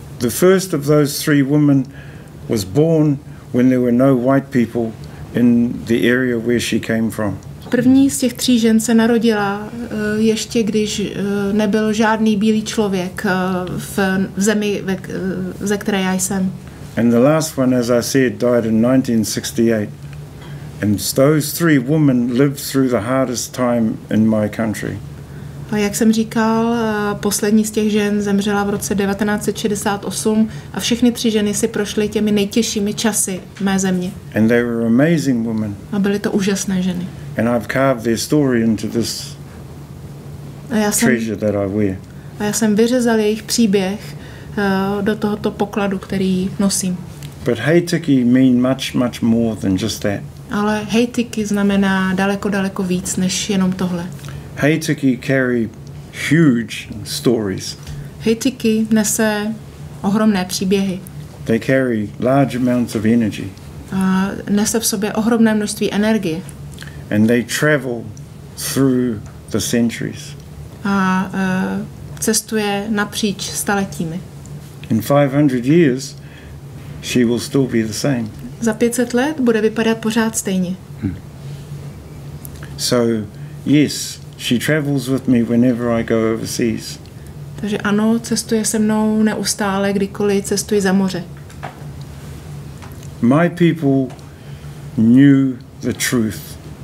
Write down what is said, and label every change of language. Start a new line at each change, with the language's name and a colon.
English: The first of those three women was born when there were no white people in the area where she came from.
Czech: První z těch tří žen se narodila ještě když nebyl žádný bílý člověk v zemi, ze které já jsem.
English: And the last one, as I said, died in 1968. And those three women lived through the hardest time in my country.
Czech: A jak jsem říkal, poslední z těch žen zemřela v roce 1968 a všechny tři ženy si prošly těmi nejtěžšími časy mé země.
English: And they were amazing women.
Czech: A byly to úžasné ženy.
English: And I've carved their story into this treasure that I wear.
Czech: A já jsem vyřezal jejich příběh do tohoto pokladu, který nosím.
English: But heitiki mean much, much more than just that.
Czech: Ale heitiki znamená daleko, daleko víc než jenom tohle.
English: Heitiki carry huge stories.
Czech: Heitiki nese ohromné příběhy.
English: They carry large amounts of energy.
Czech: A nese v sobě ohromné množství energie.
English: And they travel through the centuries.
Czech: A cestuje napříč staletími.
English: In 500 years, she will still be the same.
Czech: Za 500 let bude vypadat pořád stejně.
English: So, yes, she travels with me whenever I go overseas.
Czech: Takže ano, cestuje se mnou neustále, kdykoliv cestuji za moře.
English: My people knew the truth.